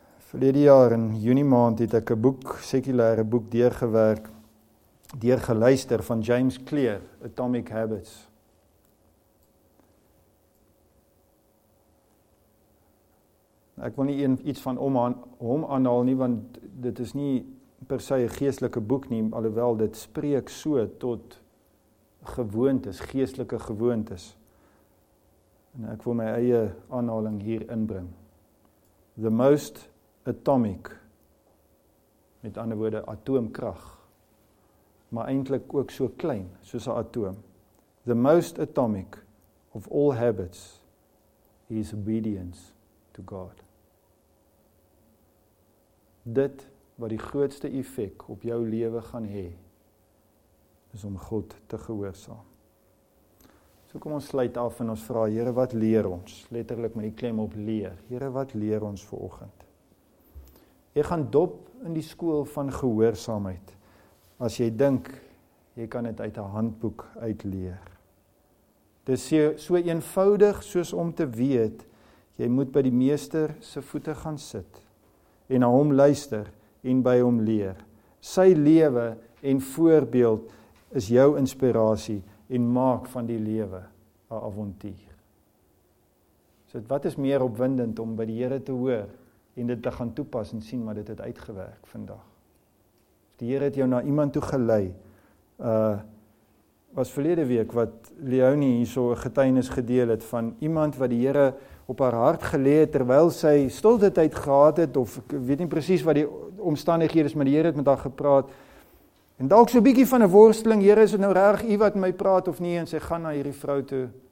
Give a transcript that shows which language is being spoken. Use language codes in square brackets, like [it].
[af] Verlede jaar in juni maand het ek 'n boek, sekulêre boek, deurgewerk, deurgeluister van James Clear, Atomic Habits. Ek wil nie iets van hom aanhaal nie, want dit is nie per se een geestelike boek nie, alhoewel dit spreek so tot gewoontes, geestelike gewoontes. En ek wil my eie aanhaling hier inbring. [en] The most atomic, [af] met ander woorde atoomkrag, maar eintlik ook so klein soos 'n atoom. [en] The most atomic of all habits is obedience to God. [af] Dit wat die grootste effek op jou lewe gaan hê, is om God te gehoorsaam. So kom ons sluit af en ons vra, Here, wat leer ons? Letterlik met die klem op leer. Here, wat leer ons vanoggend? Jy gaan dop in die skool van gehoorsaamheid, as jy dink, jy kan dit uit 'n handboek uitleer. Dit is so eenvoudig soos om te weet, jy moet by die meester se voete gaan sit, en na hom luister, en by hom leer. Sy lewe en voorbeeld is jou inspirasie en maak van die lewe 'n avontuur. So wat is meer opwindend om by die Here te hoor en dit te gaan toepas en sien, maar dit het uitgewerk vandag. Die Here het jou na iemand toe gelei. Was verlede week wat Leonie hierso 'n getuienis gedeel het van iemand wat die Here op haar hart gelê het terwyl sy stilte tyd gehad het of ek weet nie presies wat die omstandighede is, maar die Here het met haar gepraat. En dalk so 'n bietjie van 'n worsteling, Here, is dit nou reg u wat my praat of nie, en sy gaan na hierdie vrou toe.